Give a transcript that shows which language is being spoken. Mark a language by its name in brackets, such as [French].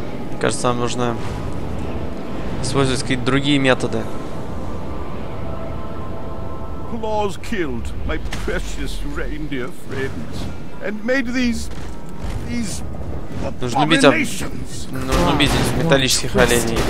[Russian] Мне кажется, нам нужно использовать какие-то другие методы. [English] Claus killed my precious reindeer friends and made these abominations. [Russian] Нужно убить этих металлических оленей.